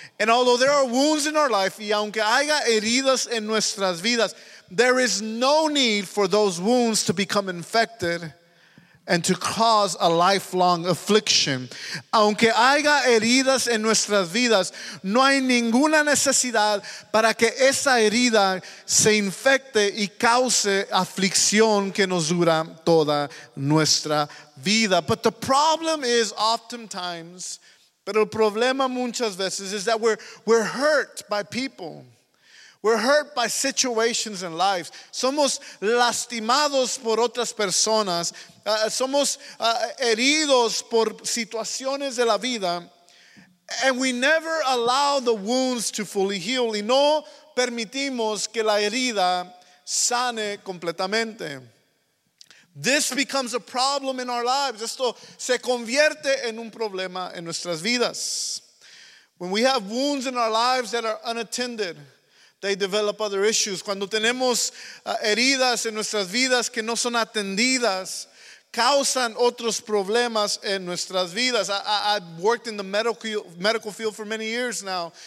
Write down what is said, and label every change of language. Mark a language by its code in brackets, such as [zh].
[en] And although there are wounds in our life, [es] y aunque haya heridas en nuestras vidas, [en] there is no need for those wounds to become infected and to cause a lifelong affliction. [es] Aunque haya heridas en nuestras vidas, no hay ninguna necesidad para que esa herida se infecte y cause aflicción que nos dura toda nuestra vida. [en] But the problem is oftentimes, [es] pero el problema muchas veces [en] is that we're hurt by people. We're hurt by situations in life. [es] Somos lastimados por otras personas. Somos heridos por situaciones de la vida. [en] And we never allow the wounds to fully heal. [es] Y no permitimos que la herida sane completamente. [en] This becomes a problem in our lives. [es] Esto se convierte en un problema en nuestras vidas. [en] When we have wounds in our lives that are unattended, they develop other issues. [es] Cuando tenemos heridas en nuestras vidas que no son atendidas, causan otros problemas en nuestras vidas. [en] I've worked in the medical field for many years now.